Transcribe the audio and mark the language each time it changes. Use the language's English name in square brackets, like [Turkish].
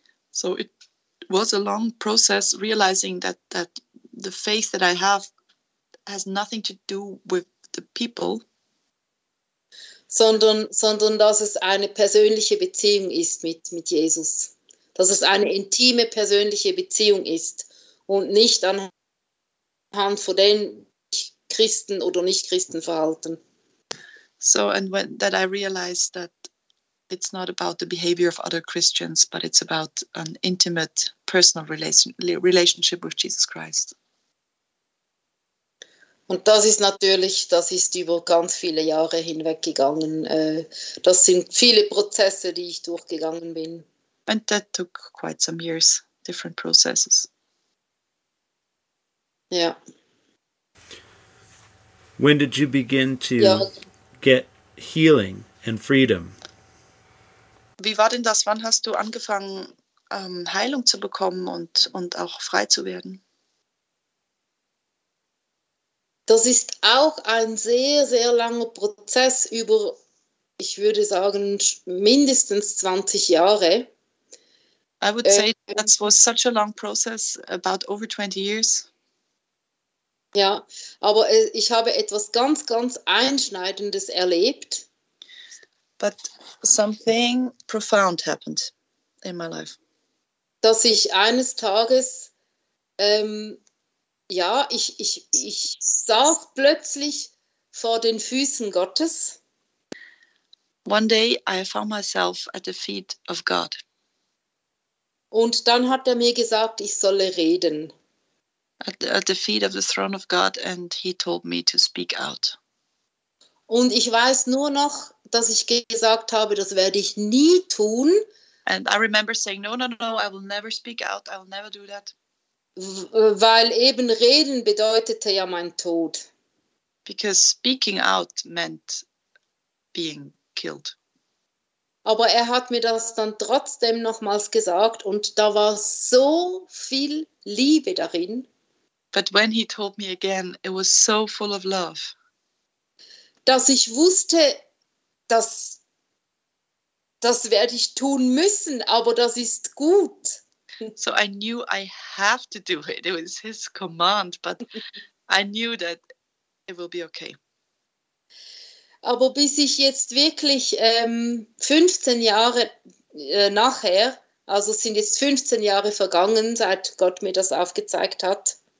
[English] So it was a long process realizing that the faith that I have has nothing to do with the people. [German] Sondern dass es eine persönliche Beziehung ist mit Jesus. Dass es eine intime persönliche Beziehung ist und nicht anhand von den Christen oder Nicht-Christen verhalten. [English] So, and when that I realized that it's not about the behavior of other Christians, but it's about an intimate personal relationship with Jesus Christ. [German] Und das ist natürlich, das ist über ganz viele Jahre hinweg gegangen. Das sind viele Prozesse, die ich durchgegangen bin. [English] And that took quite some years, different processes. [German] Ja. [English] When did you begin to get healing and freedom? [German] Wie war denn das? Wann hast du angefangen, Heilung zu bekommen und auch frei zu werden? Das ist auch ein sehr, sehr langer Prozess über, ich würde sagen, mindestens 20 Jahre. [English] I would say that was such a long process, about over 20 years. [German] Ja, aber ich habe etwas ganz, ganz Einschneidendes erlebt. [English] But something profound happened in my life. [German] Dass ich eines Tages, ich saß plötzlich vor den Füßen Gottes. [English] One day I found myself at the feet of God. [German] Und dann hat er mir gesagt, ich solle reden. [English] At the feet of the throne of God, and he told me to speak out. [German] Und ich weiß nur noch, dass ich gesagt habe, das werde ich nie tun. [English] And I remember saying, no, I will never speak out, I will never do that. [German] Weil eben reden bedeutete ja mein Tod. [English] Because speaking out meant being killed. [German] Aber er hat mir das dann trotzdem nochmals gesagt und da war so viel Liebe darin. [English] But when he told me again, it was so full of love. [German] Dass ich wusste, dass das werde ich tun müssen, aber das ist gut. [English] So I knew I have to do it. It was his command, but I knew that it will be okay. [German] Aber bis ich jetzt wirklich 15 Jahre nachher, also sind jetzt 15 Jahre vergangen, seit Gott mir das aufgezeigt hat.